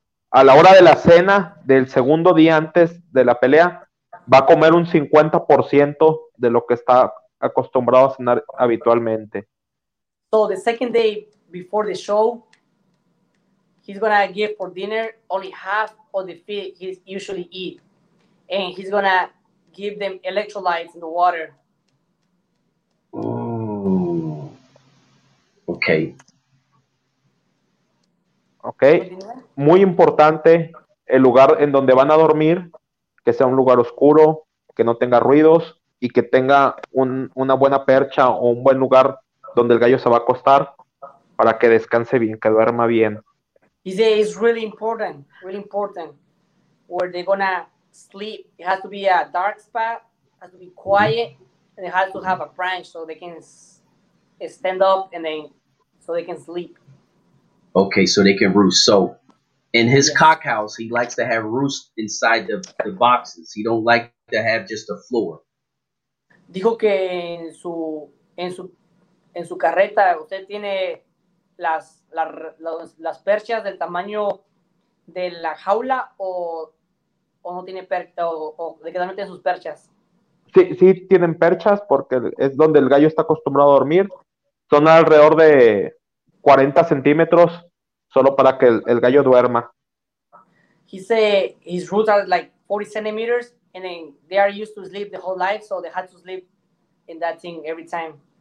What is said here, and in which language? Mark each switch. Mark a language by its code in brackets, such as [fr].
[es] A la hora de la cena del segundo día antes de la pelea, va a comer un 50% de lo que está acostumbrado a cenar habitualmente. [en] So the second day before the show, he's going to give for dinner only half or the fish he usually eat, and he's gonna give them electrolytes in the water. Oh, okay. [es] Okay, muy importante el lugar en donde van a dormir, que sea un lugar oscuro, que no tenga ruidos, y que tenga una buena percha o un buen lugar donde el gallo se va a acostar para que descanse bien, que duerma bien. [en] It's really important, where they're gonna sleep. It has to be a dark spot, it has to be quiet, and it has to have a branch so they can stand up and then so they can sleep. Okay, so they can roost. So in his cock house, he likes to have roost inside the boxes. He don't like to have just a floor. [es] Dijo que en su carreta usted tiene las perchas del tamaño de la jaula o no tiene percha o de que también tiene sus perchas. Sí, sí tienen perchas porque es donde el gallo está acostumbrado a dormir. Son alrededor de 40 centímetros solo para que el gallo duerma. [en] He said his roots are like 40 centimeters and then they are used to sleep the whole life, so they had to sleep in that thing every time.